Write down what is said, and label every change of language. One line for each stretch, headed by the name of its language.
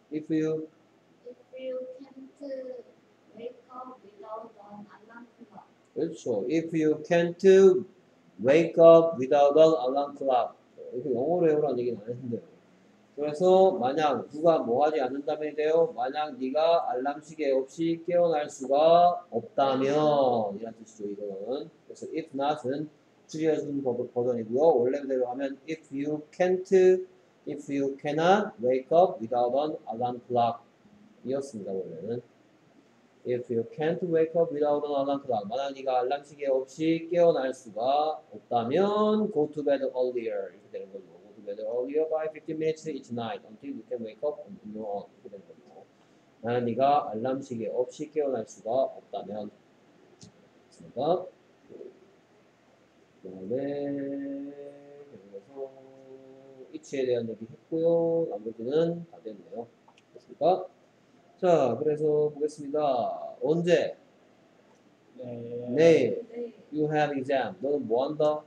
English: If you can't wake up without an alarm clock.
Korean: 그렇죠.
English: If you can't wake up without an alarm clock.
Korean: 이렇게 영어로 해보라는 얘기는 안 했는데요. 그래서 만약 누가 뭐 하지 않는다면 돼요. 만약 네가 알람 시계 없이 깨어날 수가 없다면 이란 뜻이죠. 이거는 그래서 if not은 줄여준 버전이고요. 원래 그대로 하면
English: if you can't, if you cannot wake up without an alarm clock
Korean: 이었습니다. 원래는
English: if you can't wake up without an alarm clock.
Korean: 만약 네가 알람 시계 없이 깨어날 수가 없다면
English: go to bed earlier
Korean: 이렇게 되는 거죠.
English: Earlier by 15 minutes each night until you can wake up on your own.
Korean: 만약 네가 알람 시계 없이 깨어날 수가 없다면. 됐습니다. 그다음에 그래서 위치에 대한 얘기 했고요. 나머지는 다 됐네요. 됐습니까? 자, 그래서 보겠습니다. 언제? 내일.
English: You have exam.
Korean: 너는 뭐 한다?